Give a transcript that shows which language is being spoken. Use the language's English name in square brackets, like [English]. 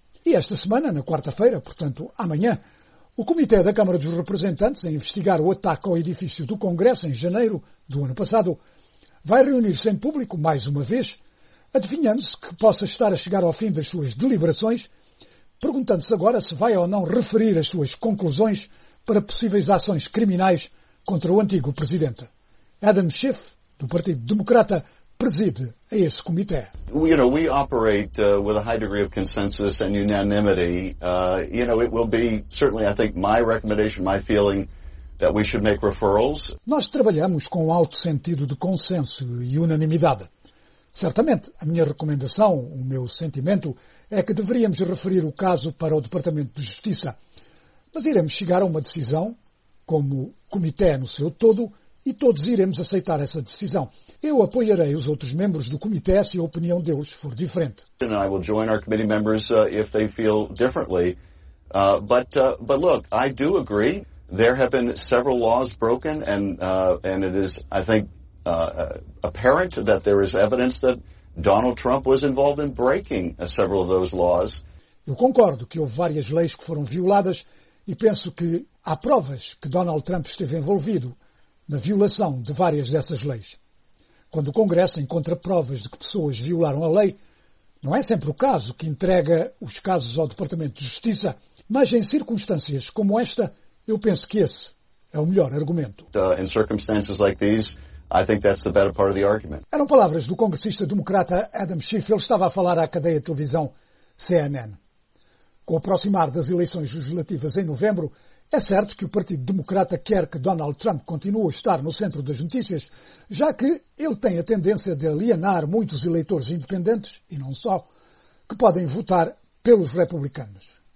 [Portuguese] E esta semana, na quarta-feira, portanto amanhã, o Comitê da Câmara dos Representantes, a investigar o ataque ao edifício do Congresso em janeiro do ano passado, vai reunir-se em público mais uma vez, adivinhando-se que possa estar a chegar ao fim das suas deliberações, perguntando-se agora se vai ou não referir as suas conclusões para possíveis ações criminais contra o antigo presidente. Adam Schiff, do Partido Democrata, preside a esse comitê. [English] You know, we operate with a high degree of consensus and unanimity. You know, it will be certainly, I think, my recommendation, my feeling that we should make referrals. [Portuguese] Nós trabalhamos com alto sentido de consenso e unanimidade. Certamente, a minha recomendação, o meu sentimento, é que deveríamos referir o caso para o Departamento de Justiça. mas iremos chegar a uma decisão, como comitê no seu todo, e todos iremos aceitar essa decisão. Eu apoiarei os outros membros do comitê se a opinião deles for diferente. [English] And I will join our committee members if they feel differently. But look, I do agree. There have been several laws broken, and it is, I think, apparent that there is evidence that Donald Trump was involved in breaking several of those laws. [Portuguese] Eu concordo que houve várias leis que foram violadas e penso que há provas que Donald Trump esteve envolvido na violação de várias dessas leis. Quando o Congresso encontra provas de que pessoas violaram a lei, não é sempre o caso que entrega os casos ao Departamento de Justiça, mas em circunstâncias como esta, eu penso que esse é o melhor argumento. [English] In circumstances like these, I think that's the better part of the argument. [Portuguese] Eram palavras do congressista democrata Adam Schiff. Ele estava a falar à cadeia de televisão CNN. Com o aproximar das eleições legislativas em novembro, é certo que o Partido Democrata quer que Donald Trump continue a estar no centro das notícias, já que ele tem a tendência de alienar muitos eleitores independentes, e não só, que podem votar pelos republicanos.